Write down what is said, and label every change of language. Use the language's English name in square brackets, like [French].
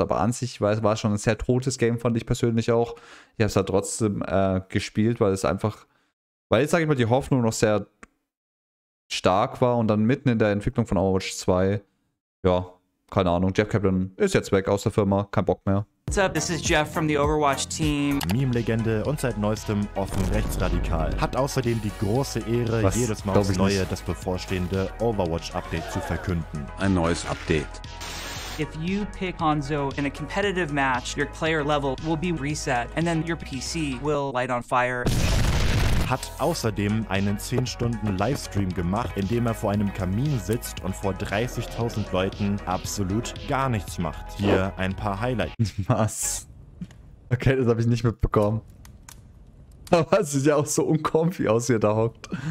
[German] Aber an sich war es schon ein sehr totes Game, fand ich persönlich auch. Ich habe es halt trotzdem gespielt, weil es einfach, weil jetzt, sage ich mal, die Hoffnung noch sehr stark war. Und dann mitten in der Entwicklung von Overwatch 2, ja, keine Ahnung, Jeff Kaplan ist jetzt weg aus der Firma, kein Bock mehr. [English] What's up, this is Jeff from the Overwatch Team. [German] Meme-Legende und seit neuestem offen rechtsradikal. Hat außerdem die große Ehre, was? Jedes Mal aufs Neue das bevorstehende Overwatch-Update zu verkünden. Ein neues Update. [English] If you pick Hanzo in a competitive match, your player level will be reset and then your PC will light on fire. [German] Hat außerdem einen 10-Stunden-Livestream gemacht, in dem er vor einem Kamin sitzt und vor 30.000 Leuten absolut gar nichts macht. Hier ein paar Highlights. Was? Okay, das habe ich nicht mitbekommen. Aber es sieht ja auch so uncomfy aus, wie er da hockt.